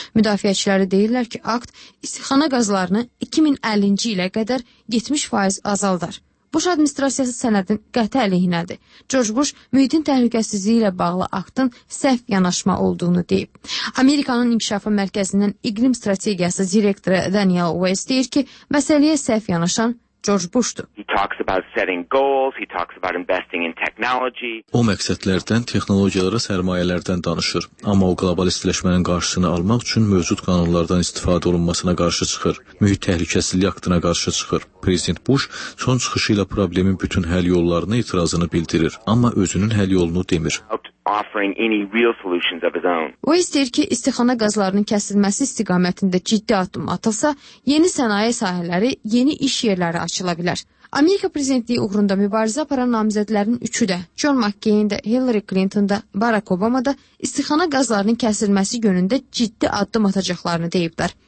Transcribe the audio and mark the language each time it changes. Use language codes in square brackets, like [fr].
[az] Müdafiəçiləri deyirlər ki, akt istixana qazlarını 2050-ci ilə qədər 70% azaldar. Bush administrasiyası sənədin qəti əleyhinədir. George Bush mühitin təhlükəsizliyi ilə bağlı aktın səhv yanaşma olduğunu deyib. Amerikanın İnkişafı Mərkəzindən İqlim Strategiyası direktoru Daniel West deyir ki, məsələyə səhv yanaşan George Bushdur. [en] He talks about setting goals, he talks about investing in technology. [az] O məqsədlərdən, texnologiyalara sərmayələrdən danışır, amma o qlobal istiləşmənin qarşısını almaq üçün mövcud qanunlardan istifadə olunmasına qarşı çıxır, mühit təhlükəsizliyi aktına qarşı çıxır. Prezident Bush son çıxışı ilə problemin bütün həll yollarını itirazını bildirir, amma özünün həll yolunu demir. [en] Offering any real solutions of his own. [az] O istəyir ki, istixana qazlarının kəsilməsi istiqamətində ciddi addım atılsa, yeni sənaye sahələri, yeni iş yerləri açıla bilər. Amerika prezidentliyi uğrunda mübarizə aparan namizədlərin üçü də, John McCain də, Hillary Clinton də, Barack Obama da istixana qazlarının kəsilməsi yönündə ciddi addım atacaqlarını deyiblər.